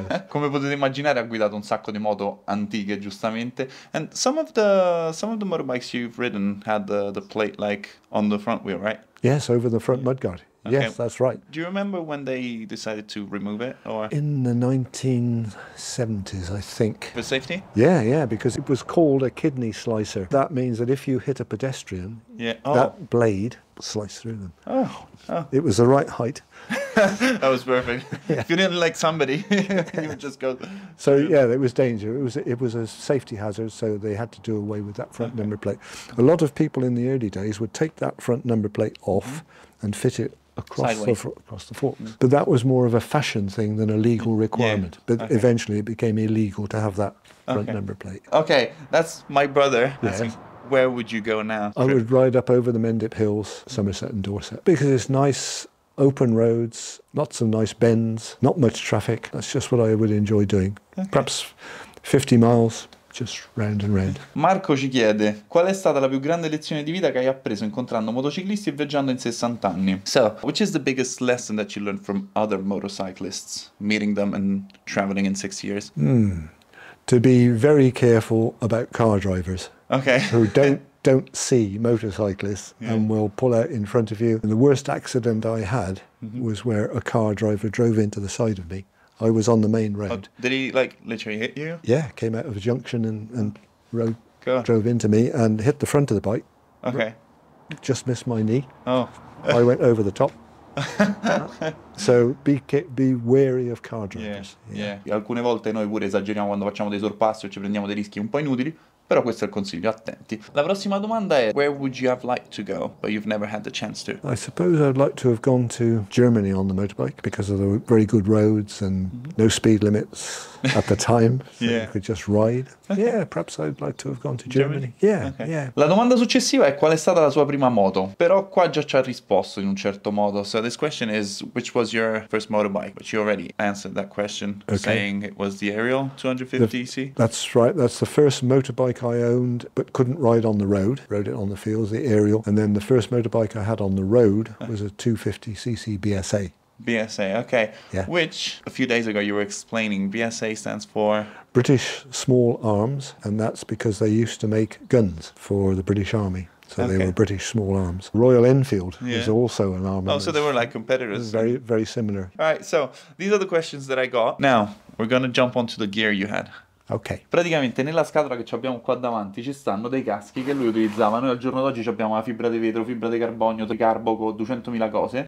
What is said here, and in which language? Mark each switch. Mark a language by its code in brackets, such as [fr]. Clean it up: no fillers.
[it] Come potete immaginare, ha guidato un sacco di moto antiche, giustamente. [en] And some of the motorbikes you've ridden had the plate like on the front wheel, right? Yes, over the front mudguard. Okay. Yes, that's right. Do you remember when they decided to remove it? Or in the 1970s, I think. For safety? Yeah, because it was called a kidney slicer. That means that if you hit a pedestrian, that blade sliced through them. Oh. It was the right height. That was perfect. Yeah. If you didn't like somebody, you would just go. So, it was danger. It was a safety hazard, so they had to do away with that front number plate. A lot of people in the early days would take that front number plate off and fit it across the forks. Mm. But that was more of a fashion thing than a legal requirement. Yeah. But eventually it became illegal to have that front number plate. Okay, that's my brother. Yeah. Where would you go now? I would ride up over the Mendip Hills, Somerset and Dorset, because it's nice. Open roads, lots of nice bends, not much traffic. That's just what I would enjoy doing. Okay. Perhaps 50 miles, just round and round. [it] Marco ci chiede: qual è stata la più grande lezione di vita che hai appreso incontrando motociclisti e viaggiando in 60 anni? [en] So, which is the biggest lesson that you learned from other motorcyclists, meeting them and traveling in 6 years? To be very careful about car drivers. Okay. Who don't see motorcyclists, yeah, and will pull out in front of you. And the worst accident I had, mm-hmm, was where a car driver drove into the side of me. I was on the main road. Oh, did he like literally hit you? Yeah, came out of a junction and drove into me and hit the front of the bike. Okay. Just missed my knee. Oh. I went over the top. So be wary of car drivers. Yeah. [it] Alcune volte noi pure esageriamo quando facciamo dei sorpassi o ci prendiamo dei rischi un po' inutili. Però questo è il consiglio, attenti. La prossima domanda è: [en] where would you have liked to go, but you've never had the chance to? I suppose I'd like to have gone to Germany on the motorbike because of the very good roads and, mm-hmm, no speed limits at the time. So yeah, you could just ride. Okay. Yeah, perhaps I'd like to have gone to Germany. Yeah, okay. Yeah. [it] La domanda successiva è: qual è stata la sua prima moto? Però qua già ci ha risposto in un certo modo. [en] So this question is, which was your first motorbike? But you already answered that question, okay, saying it was the Ariel 250cc. That's right, that's the first motorbike I owned but couldn't ride on the road. Rode it on the fields, the aerial. And then the first motorbike I had on the road was a 250cc BSA. BSA, okay. Yeah. Which, a few days ago, you were explaining BSA stands for? British Small Arms, and that's because they used to make guns for the British Army. So okay, they were British Small Arms. Royal Enfield, yeah, is also an arm. Oh, so they were like competitors. Very, very similar. All right, so these are the questions that I got. Now, we're going to jump onto the gear you had. Ok. [it] Praticamente nella scatola che abbiamo qua davanti ci stanno dei caschi che lui utilizzava. Noi al giorno d'oggi abbiamo la fibra di vetro, fibra di carbonio, di carboco, 200.000 cose.